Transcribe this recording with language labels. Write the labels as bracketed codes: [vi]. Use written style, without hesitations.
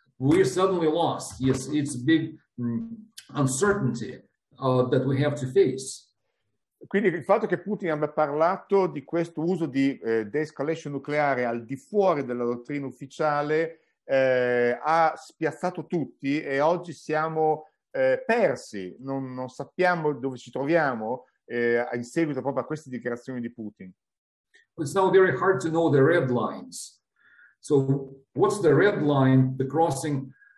[en] We're suddenly lost. Yes, it's a big uncertainty that we have to face. [it] Quindi il fatto che Putin abbia parlato di questo uso di de-escalation nucleare al di fuori della dottrina ufficiale ha spiazzato tutti e oggi siamo persi, non sappiamo dove ci troviamo in seguito proprio a queste dichiarazioni di Putin. [en] It's now very hard to know the red lines. So what's the red line, the crossing?